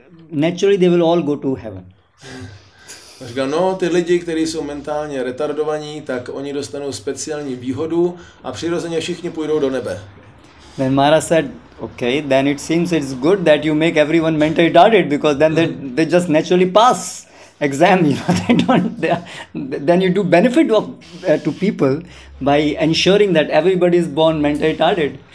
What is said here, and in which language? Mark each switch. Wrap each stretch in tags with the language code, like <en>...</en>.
<en>Naturally they will all go to heaven.</en> <cs>Říká, no, ty lidi, kteří jsou mentálně retardovaní, tak oni dostanou speciální výhodu a přirozeně všichni půjdou do nebe.</cs> <en>Then Mara said, okay, then it seems it's good that you make everyone mentally retarded because then they just naturally pass. Exam, you know, then you do benefit of to people by ensuring that everybody is born mentally retarded.</en>